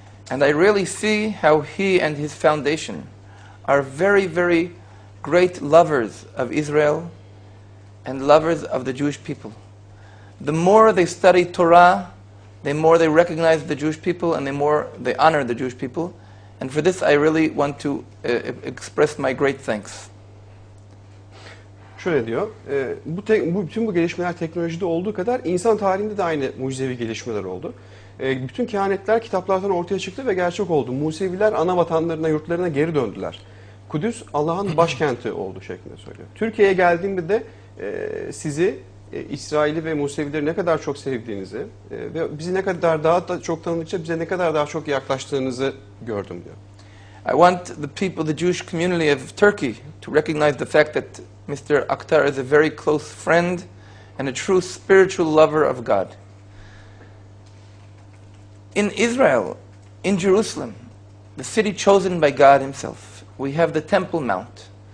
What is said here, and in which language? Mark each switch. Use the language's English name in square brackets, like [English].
[English] And I really see how he and his foundation are very, very great lovers of Israel and lovers of the Jewish people. The more they study Torah, the more they recognize the Jewish people and the more they honor the Jewish people. And for this, I really want to express my great thanks. [Turkish] Şöyle diyor, bütün bu gelişmeler teknolojide olduğu kadar insan tarihinde de aynı mucizevi gelişmeler oldu. Bütün kehanetler kitaplardan ortaya çıktı ve gerçek oldu. Museviler ana vatanlarına, yurtlarına geri döndüler. Kudüs Allah'ın başkenti oldu şeklinde söylüyor. Türkiye'ye geldiğimde de sizi İsrail'i ve Musevileri ne kadar çok sevdiğinizi ve bizi ne kadar daha da çok tanıdıkça bize ne kadar daha çok yaklaştığınızı gördüm diyor. [English] I want the people, the Jewish community of Turkey, to recognize the fact that Mr. Akhtar is a very close friend and a true spiritual lover of God. In Israel, in Jerusalem, the city chosen by God Himself, we have the Temple Mount.